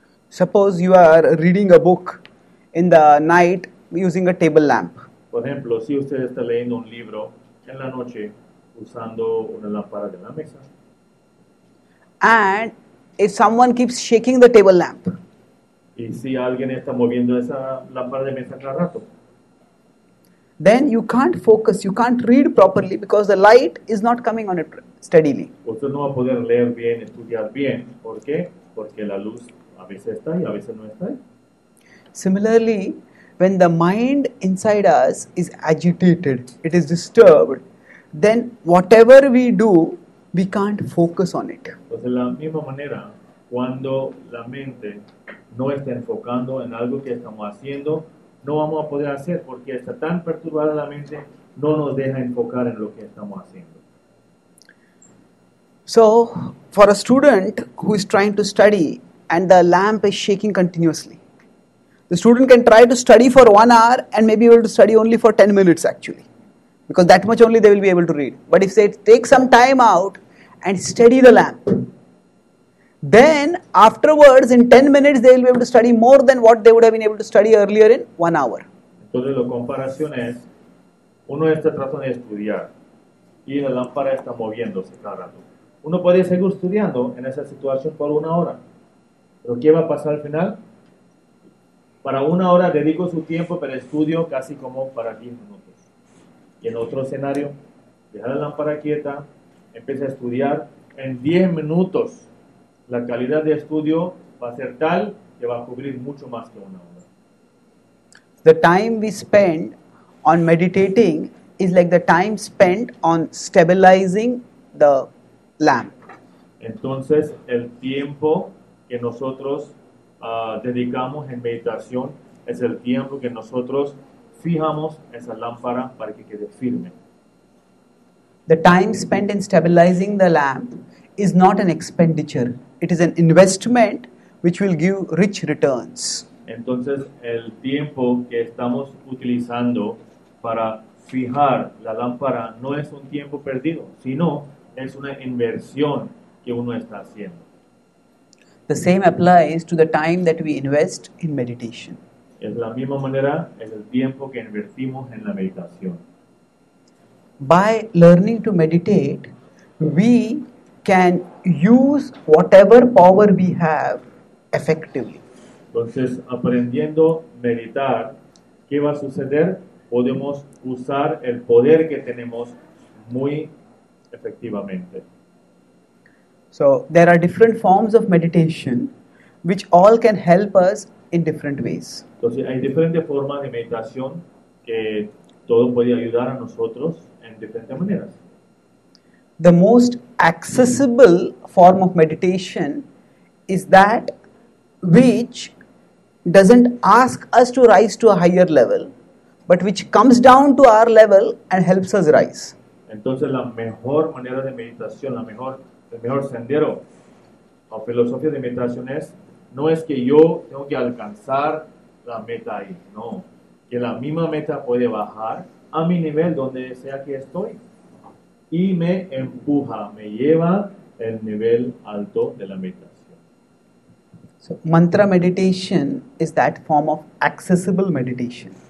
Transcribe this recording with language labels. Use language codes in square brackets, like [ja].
[en] Suppose you are reading a book in the night, using a table lamp. [es] Por ejemplo, si usted está leyendo un libro en la noche usando una lámpara de la mesa. [en] And if someone keeps shaking the table lamp. [es] Y si alguien está moviendo esa lámpara de mesa cada rato. [en] Then you can't focus, you can't read properly because the light is not coming on it steadily. [es] Usted no va a poder leer bien, estudiar bien. ¿Por qué? Porque la luz a veces está y a veces no está. [en] Similarly, when the mind inside us is agitated, it is disturbed, then whatever we do, we can't focus on it. [es] Pues de la misma manera, cuando la mente no está enfocando en algo que estamos haciendo, no vamos a poder hacer porque está tan perturbada la mente, no nos deja enfocar en lo que estamos haciendo. [en] So, for a student who is trying to study and the lamp is shaking continuously, the student can try to study for 1 hour and maybe able to study only for 10 minutes actually. Because that much only they will be able to read. But if they take some time out and study the lamp, then afterwards in 10 minutes they will be able to study more than what they would have been able to study earlier in 1 hour. [es] Entonces la comparación es, uno está tratando de estudiar y la lámpara está moviéndose cada rato. Uno puede seguir estudiando en esa situación por 1 hora. ¿Pero qué va a pasar al final? Para 1 hora dedico su tiempo para estudio casi como para 10 minutos. Y en otro escenario, dejar la lámpara quieta, empieza a estudiar. En 10 minutos, la calidad de estudio va a ser tal que va a cubrir mucho más que 1 hora. [en] The time we spend on meditating is like the time spent on stabilizing the lamp. [es] Entonces, el tiempo que nosotros dedicamos en meditación es el tiempo que nosotros fijamos esa lámpara para que quede firme. [en] The time spent in stabilizing the lamp is not an expenditure. It is an investment which will give rich returns. [es] Entonces, el tiempo que estamos utilizando para fijar la lámpara no es un tiempo perdido, sino es una inversión que uno está haciendo. [en] The same applies to the time that we invest in meditation. [es] Es la misma manera, es el tiempo que invertimos en la meditación. [en] By learning to meditate, we can use whatever power we have effectively. [es] Entonces, aprendiendo a meditar, ¿qué va a suceder? Podemos usar el poder que tenemos muy efectivamente. [en] So, there are different forms of meditation which all can help us in different ways. [es] Entonces, hay diferentes formas de meditación que todo puede ayudar a nosotros en diferentes maneras. [en] The most accessible form of meditation is that which doesn't ask us to rise to a higher level, but which comes down to our level and helps us rise. [es] Entonces, la mejor manera de meditación, el mejor sendero o filosofía de meditación es, no es que yo tengo que alcanzar la meta ahí, no. Que la misma meta puede bajar a mi nivel donde sea que estoy y me empuja, me lleva el nivel alto de la meditación. [en] So, mantra meditation is that form of accessible meditation.